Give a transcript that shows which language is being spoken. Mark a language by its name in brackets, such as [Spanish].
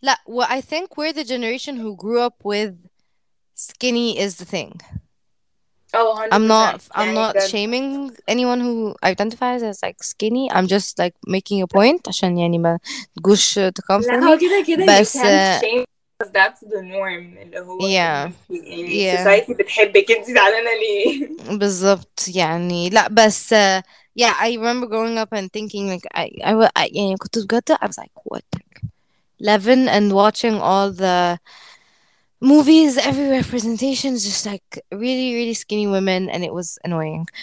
[English] Well, I think we're the generation who grew up with skinny is the thing. Oh, 100%. I'm not shaming anyone who identifies as like skinny. I'm just like making a point. [Arabic] عشان يعني ما تقولش تكونفلي. لا, كده بس, [English] you can't shame because that's the norm. [Arabic] اللي هو society بتحبك انت زعلانة ليه؟ بالضبط يعني. لا بس [English] yeah, I remember growing up and thinking like I was like, what? 11 and watching all the movies, every representation is just like really, really skinny women, and it was annoying.